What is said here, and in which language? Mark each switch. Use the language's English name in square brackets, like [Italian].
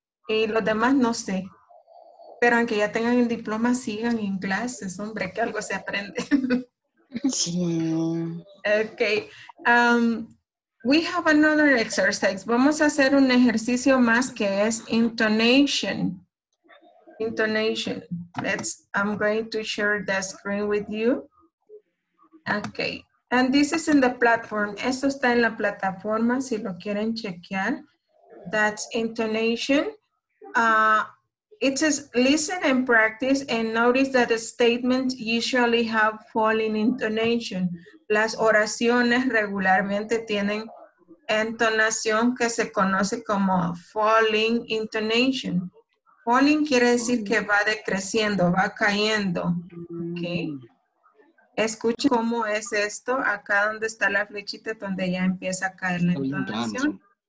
[Spanish] Y los demás no sé, pero aunque ya tengan el diploma, sigan en clases, hombre, que algo se aprende. [English] Okay. We have another exercise. [Spanish] Vamos a hacer un ejercicio más que es intonation. [English] Intonation. I'm going to share the screen with you. Okay. And this is in the platform. [Spanish] Esto está en la plataforma si lo quieren chequear. [English] That's intonation. It says, listen and practice and notice that the statements usually have falling intonation. [Spanish] Las oraciones regularmente tienen entonación que se conoce como [English] falling intonation. [Spanish] Falling quiere decir que va decreciendo, va cayendo. Okay. Escuchen cómo es esto, acá donde está la flechita donde ya empieza a caer la entonación.